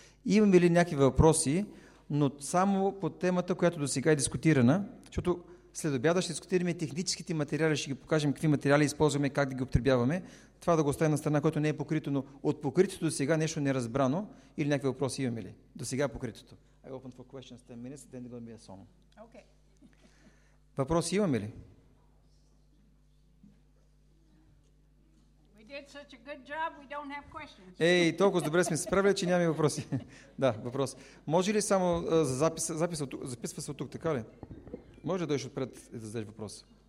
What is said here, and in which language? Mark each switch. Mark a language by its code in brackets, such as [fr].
[bg] Имаме ли някакви въпроси, но само по темата, която до сега е дискутирана, защото след обяда ще дискутираме техническите материали, ще ги покажем какви материали използваме, как да ги употребяваме. Това да го оставим на страна, което не е покрито, но от покритото до сега нещо не е разбрано или някакви въпроси имаме ли? До сега е покритото. [en] I open for questions 10 minutes, then there will be a song. Okay. [bg] Въпроси имаме ли? [en] It's such a good job, we don't have questions. [bg] Ей, толкова добре сме се справили, че нямаме въпроси. Да, въпрос. Може ли само записва се от тук, така ли? Може да дойш отпред и да зададеш въпроса.